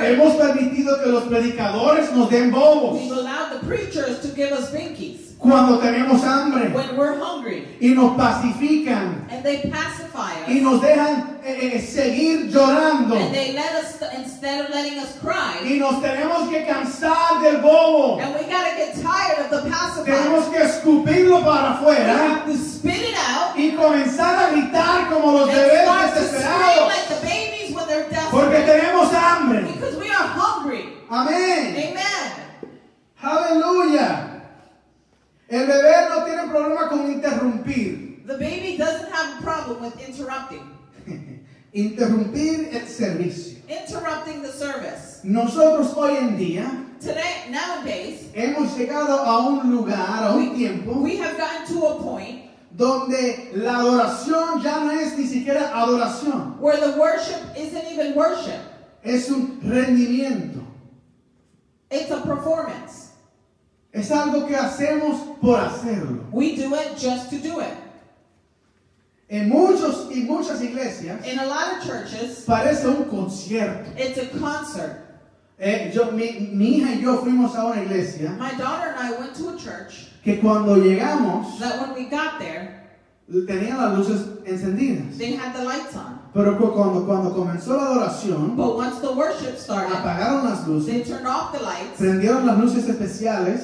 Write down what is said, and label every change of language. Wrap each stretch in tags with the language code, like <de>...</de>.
<es>hemos permitido que los predicadores nos den bobos.</es> <en>We've allowed the preachers to give us binkies.</en> <es>Cuando tenemos hambre.</es> <en>When we're hungry.</en> <es>Y nos pacifican.</es> <en>And they pacify us.</en> <es>Y nos dejan seguir llorando.</es> <en>And they let us, instead of letting us cry.</en> <es>Y nos tenemos que cansar del bobo.</es> <en>And we gotta get tired of the pacifier.</en> <es>Tenemos que escupirlo para afuera.</es> <en>We have to spit it out.</en> <es>Y comenzar a gritar como los bebés desesperados.</es> <en>And start to scream like the babies when they're desperate.</en> <es>Porque tenemos hambre.</es> <en>Because we are hungry.</en> <es>Amén.</es> <en>Amen.</en> <es>Hallelujah. El bebé no tiene problema con interrumpir.</es> <en>The baby doesn't have a problem with interrupting.</en> <es>Interrumpir el servicio.</es> <en>Interrupting the service.</en> <es>Nosotros hoy en día,</es> <en>today, nowadays,</en> <es>hemos llegado a un lugar, a un tiempo,</es> <en>we have gotten to a point</en> <es>donde la adoración ya no es ni siquiera adoración.</es> <en>Where the worship isn't even worship.</en> <es>Es un rendimiento.</es> <en>It's a performance.</en> <es>Es algo que hacemos por hacerlo.</es> <en>We do it just to do it.</en> <es>En muchos y muchas iglesias,</es> <en>in a lot of churches,</en> <es>parece un concierto.</es> <en>It's a concert.</en> <es>Mi hija y yo fuimos a una iglesia.</es> <en>My daughter and I went to a church.</en> <es>Que cuando llegamos,</es> <en>that when we got there,</en> <es>tenían las luces encendidas.</es> <en>They had the lights on.</en> <es>Pero cuando comenzó la adoración,</es> <en>but once the worship started,</en> <es>apagaron las luces,</es> <en>they turned off the lights,</en> <es>prendieron las luces especiales,</es>